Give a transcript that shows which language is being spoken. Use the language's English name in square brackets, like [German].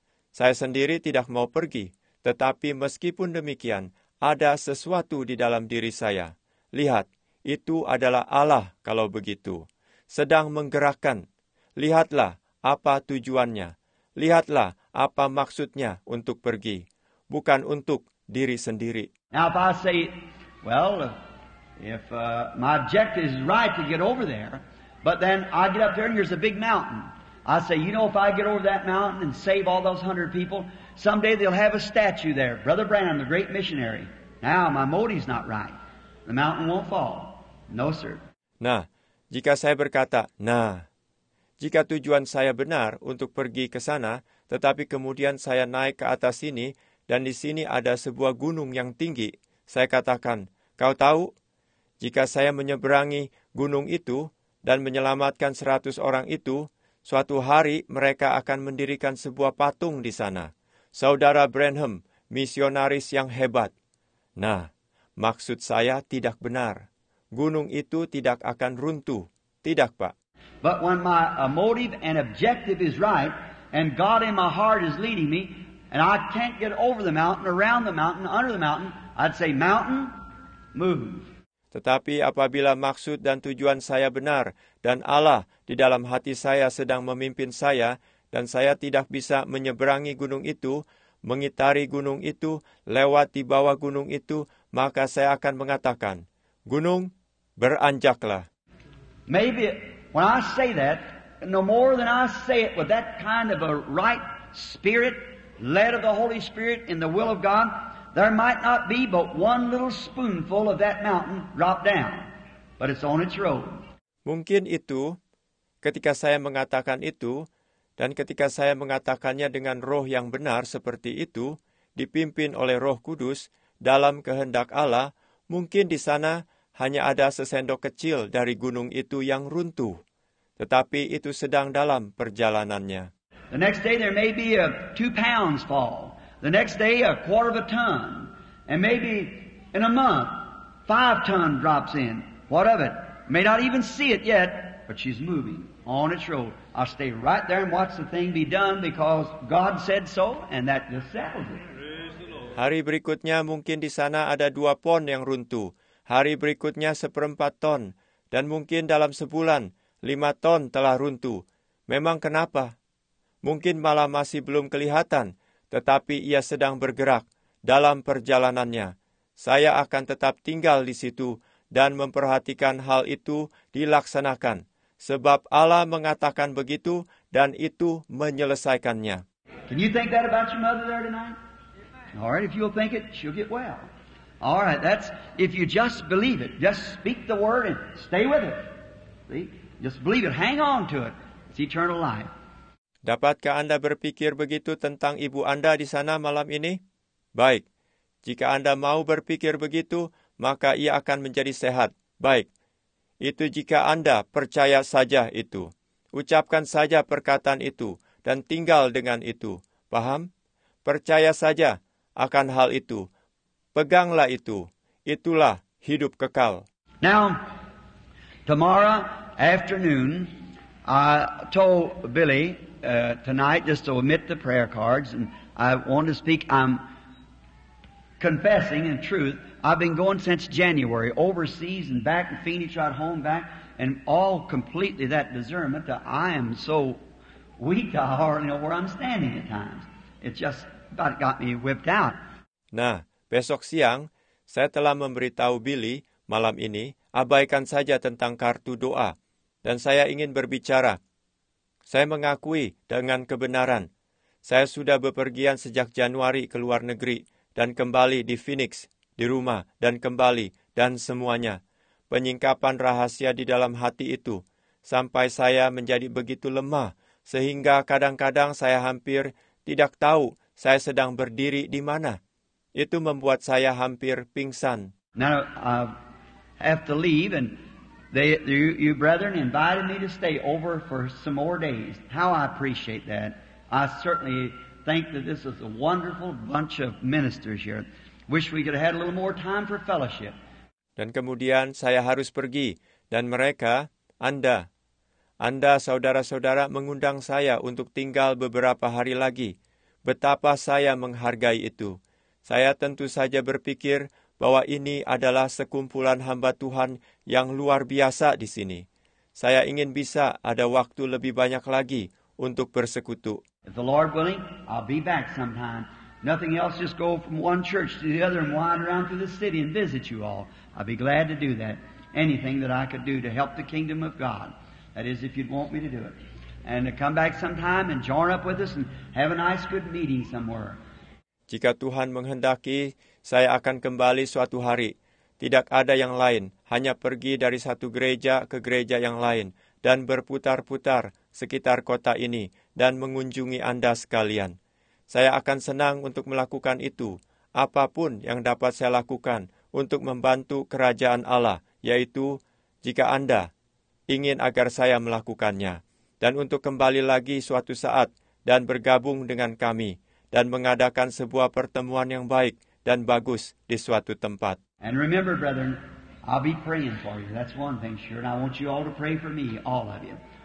[Indonesian] Saya sendiri tidak mau pergi. Tetapi meskipun demikian, ada sesuatu di dalam diri saya. Lihat. Itu adalah Allah kalau begitu. Sedang menggerakkan. Lihatlah apa tujuannya. Lihatlah apa maksudnya untuk pergi. Bukan untuk diri sendiri. [English] Now if I say, well, if my objective is right to get over there, but then I get up there and there's a big mountain. I say, you know, if I get over that mountain and save all those 100 people, someday they'll have a statue there. Brother Branham, the great missionary. Now my motive's not right. The mountain won't fall. No, sir. [Indonesian] Nah, jika saya berkata, nah, jika tujuan saya benar untuk pergi ke sana, tetapi kemudian saya naik ke atas sini, dan di sini ada sebuah gunung yang tinggi, saya katakan, kau tahu, jika saya menyeberangi gunung itu dan menyelamatkan 100 orang itu, suatu hari mereka akan mendirikan sebuah patung di sana. Saudara Branham, misionaris yang hebat. Nah, maksud saya tidak benar. Gunung itu tidak akan runtuh. Tidak, Pak. [English] But when my motive and objective is right, and God in my heart is leading me, and I can't get over the mountain, around the mountain, under the mountain, I'd say, mountain, move. [Indonesian] Tetapi apabila maksud dan tujuan saya benar, dan Allah di dalam hati saya sedang memimpin saya, dan saya tidak bisa menyeberangi gunung itu, mengitari gunung itu, lewat di bawah gunung itu, maka saya akan mengatakan, gunung, beranjaklah. [English] Maybe when I say that, no more than I say it with that kind of a right spirit, led of the Holy Spirit in the will of God, there might not be but one little spoonful of that mountain drop down, but it's on its road. [Indonesian] Mungkin itu, ketika saya mengatakan itu, dan ketika saya mengatakannya dengan roh yang benar seperti itu, dipimpin oleh Roh Kudus, dalam kehendak Allah, mungkin di sana hanya ada sesendok kecil dari gunung itu yang runtuh. Tetapi itu sedang dalam perjalanannya. [English] The next day there may be a 2 pounds fall. The next day a quarter of a ton. And maybe in a month, 5 ton drops in. What of it? May not even see it yet, but she's moving on its road. I'll stay right there and watch the thing be done because God said so, and that just settles it. [Indonesian] Hari berikutnya mungkin di sana ada 2 pon yang runtuh. Hari berikutnya 1/4 ton. Dan mungkin dalam sebulan, 5 ton telah runtuh. Memang kenapa? Mungkin malah masih belum kelihatan, tetapi ia sedang bergerak dalam perjalanannya. Saya akan tetap tinggal di situ dan memperhatikan hal itu dilaksanakan. Sebab Allah mengatakan begitu dan itu menyelesaikannya. [English] Can you think that about your mother there tonight? All right, if you'll think it, she'll get well. All right, that's if you just believe it. Just speak the word and stay with it. See? Just believe it. Hang on to it. It's eternal life. [Indonesian] Dapatkah Anda berpikir begitu tentang ibu Anda di sana malam ini? Baik. Jika Anda mau berpikir begitu, maka ia akan menjadi sehat. Baik. Itu jika Anda percaya saja itu. Ucapkan saja perkataan itu dan tinggal dengan itu. Paham? Percaya saja akan hal itu. Peganglah itu. Itulah hidup kekal. [English] Now, tomorrow afternoon, I told Billy tonight just to omit the prayer cards and I want to speak. I'm confessing in truth. I've been going since January, overseas and back in Phoenix, right home back, and all completely that discernment that I am so weak, I hardly know where I'm standing at times. It just about got me whipped out. [Indonesian] Nah, besok siang, saya telah memberitahu Billy, malam ini, abaikan saja tentang kartu doa, dan saya ingin berbicara. Saya mengakui dengan kebenaran, saya sudah bepergian sejak Januari ke luar negeri, dan kembali di Phoenix. Di rumah, dan kembali, dan semuanya. Penyingkapan rahasia di dalam hati itu, sampai saya menjadi begitu lemah, sehingga kadang-kadang saya hampir tidak tahu saya sedang berdiri di mana. Itu membuat saya hampir pingsan. [English] Now, I have to leave, and you brethren invited me to stay over for some more days. How I appreciate that. I certainly think that this is a wonderful bunch of ministers here. Wish we could have had a little more time for fellowship. [Indonesian] Dan kemudian saya harus pergi dan mereka, Anda saudara-saudara mengundang saya untuk tinggal beberapa hari lagi. Betapa saya menghargai itu. Saya tentu saja berpikir bahwa ini adalah sekumpulan hamba Tuhan yang luar biasa di sini. Saya ingin bisa ada waktu lebih banyak lagi untuk bersekutu. [English] If the Lord willing, I'll be back sometime. Nothing else, just go from one church to the other and wander around through the city and visit you all. I'd be glad to do that. Anything that I could do to help the kingdom of God. That is, if you'd want me to do it. And to come back sometime and join up with us and have a nice good meeting somewhere. [Indonesian] Jika Tuhan menghendaki, saya akan kembali suatu hari. Tidak ada yang lain, hanya pergi dari satu gereja ke gereja yang lain dan berputar-putar sekitar kota ini dan mengunjungi Anda sekalian. Saya akan senang untuk melakukan itu, apapun yang dapat saya lakukan untuk membantu kerajaan Allah, yaitu jika Anda ingin agar saya melakukannya, dan untuk kembali lagi suatu saat dan bergabung dengan kami, dan mengadakan sebuah pertemuan yang baik dan bagus di suatu tempat. [English] And remember, brethren, I'll be praying for you. That's one thing, sure. And I want you all to pray for me, all of you.